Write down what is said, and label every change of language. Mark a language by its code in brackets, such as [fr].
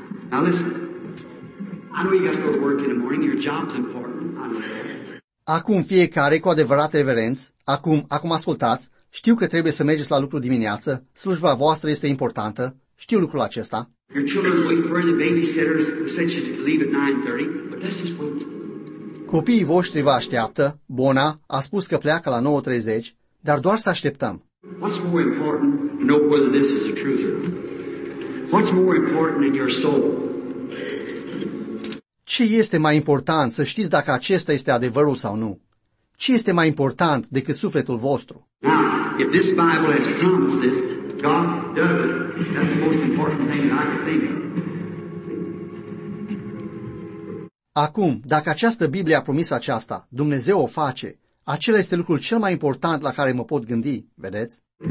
[en] Now, listen. I know you got to go to work in the morning. Your job's important. [ro] Acum fiecare cu adevărat reverenț. Acum ascultați, Știu că trebuie să mergeți la lucru dimineață, slujba voastră este importantă, știu lucrul acesta. [en] Your children are waiting for the babysitters, we sent you to leave at 9:30, but that's just what... [ro] Copiii voștri vă așteaptă, Bona a spus că pleacă la 9:30, dar doar să așteptăm. [en] What's more important to know whether this is the truth or not? What's more important in your soul? [ro] Ce este mai important să știți dacă acesta este adevărul sau nu? Ce este mai important decât sufletul vostru? [en] Now, if this Bible has promised this, God does it. That's the most important thing that I can think of. [ro] Acum, dacă această Biblie a promis aceasta, Dumnezeu o face, acela este lucrul cel mai important la care mă pot gândi, vedeți?